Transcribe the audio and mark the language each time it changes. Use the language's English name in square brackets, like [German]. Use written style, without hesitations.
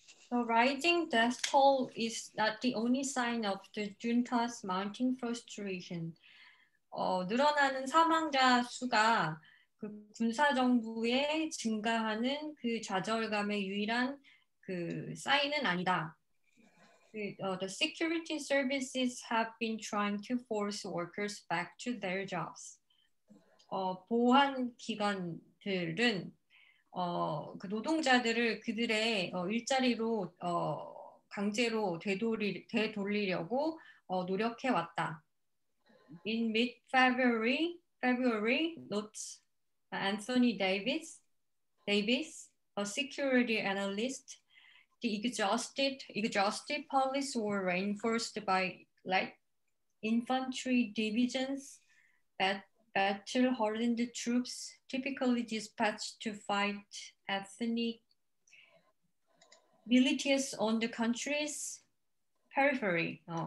[English] The rising death toll is not the only sign of the junta's mounting frustration. [Korean] 늘어나는 사망자 수가 그 군사 정부의 증가하는 그 좌절감의 유일한 그 사인은 아니다. [English] The security services have been trying to force workers back to their jobs. [Korean] 보안 기관들은 그 노동자들을 그들의 일자리로 강제로 되돌리려고 노력해 왔다. [English] In mid February, notes Anthony Davis, a security analyst, the exhausted police were reinforced by light infantry divisions that battle-hardened troops typically dispatched to fight ethnic militias on the country's periphery.